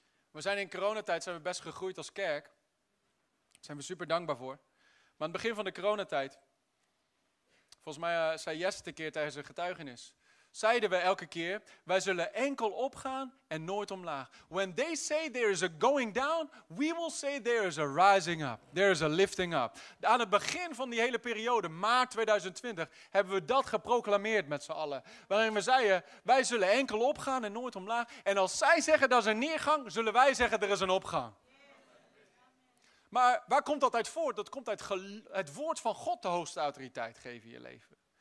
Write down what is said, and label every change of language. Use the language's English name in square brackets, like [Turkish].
[Dutch] We zijn in coronatijd zijn we best gegroeid als kerk. Daar zijn we super dankbaar voor. Maar aan het begin van de coronatijd, volgens mij zei Jesse een keer tijdens een getuigenis, zeiden we elke keer, wij zullen enkel opgaan en nooit omlaag. [English] When they say there is a going down, we will say there is a rising up. There is a lifting up. [Dutch] Aan het begin van die hele periode, maart 2020, hebben we dat geproclameerd met z'n allen. Waarin we zeiden, wij zullen enkel opgaan en nooit omlaag. En als zij zeggen, dat is een neergang, zullen wij zeggen, er is een opgang. Maar waar komt dat uit voort? Dat komt uit het woord van God de hoogste autoriteit geven in je leven.